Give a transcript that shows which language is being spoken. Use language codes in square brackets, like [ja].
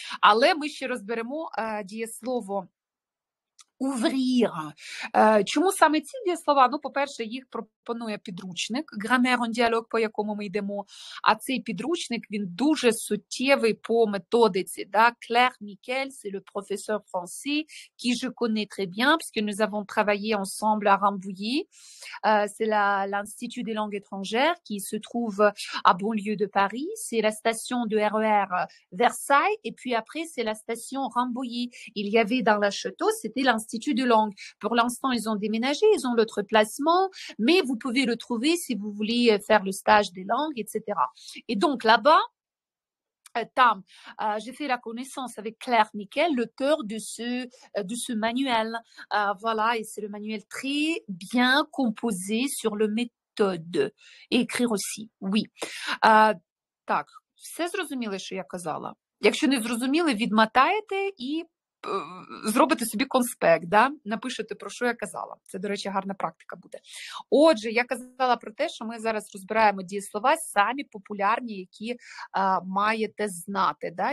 [uk] Але ми ще розберемо дієслово. Ouvrir. Чому саме ці дієслова? Ну, по-перше, їх пропонує підручник «Grammaire en dialogue», по якому ми йдемо. А цей підручник, він дуже суттєвий по методиці. Да? [fr] Claire Michel, c'est le professeur français, qui je connais très bien, puisque nous avons travaillé ensemble à Rambouillet. C'est l'Institut des langues étrangères qui se trouve à Bonlieu de Paris. C'est la station de RER Versailles. Et puis après, c'est la station Rambouillet. Il y avait dans la Château, c'était l'Institut de langue. Pour l'instant, ils ont déménagé, ils ont l'autre placement, mais vous pouvez le trouver si vous voulez faire le stage des langues, etc. Et donc là-bas, j'ai fait la connaissance avec Claire Michel, l'auteur de ce manuel. Voilà, et c'est le manuel très bien composé sur le méthode. Et écrire aussi, oui. [uk] Так, все зрозуміло, що я казала? Якщо не зрозуміли, відмотаєте і зробите собі конспект, да? Напишете, про що я казала. Це, до речі, гарна практика буде. Отже, я казала про те, що ми зараз розбираємо дієслова самі популярні, які маєте знати, да?